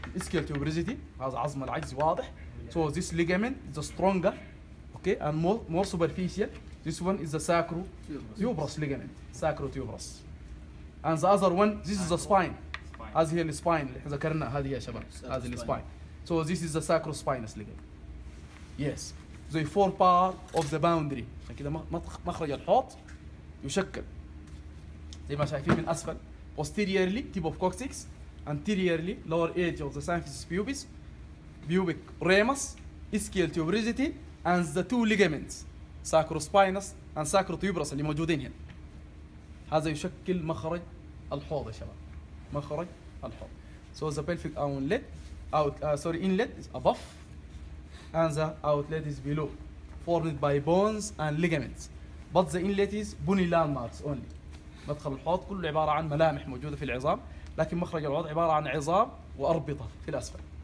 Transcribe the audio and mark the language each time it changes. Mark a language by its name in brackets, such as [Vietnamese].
[Arabic] الاسكيال تيوبريزيتي هذا عظم العجز واضح. [English] So this ligament is the stronger, okay, and more superficial. This one is the sacro tuberous ligament. Sacro tuberous. And the other one, this is the spine. [Arabic] هذه هي الاسباين اللي ذكرنا هذه يا شباب. هذه الاسباين. [English] So this is the sacrospinous ligament. Yes. They form part of the boundary. [Arabic] كده مخرج الحوض يشكل زي ما شايفين من أسفل [English] posteriorly tip of coccyx, anteriorly lower edge of the symphysis pubis, pubic ramus, ischial tuberosity, and the two ligaments, sacrospinous and sacrotuberous [Arabic] اللي موجودين هنا. هذا يشكل مخرج الحوض يا شباب. مخرج الحوض. [English] So the pelvic outlet, inlet is above. And the outlet is below, formed by bones and ligaments. But the inlet is bony landmarks only. [Arabic] مدخل الحوض كله عبارة عن ملامح موجودة في العظام، لكن مخرج الحوض عبارة عن عظام وأربطة في الأسفل.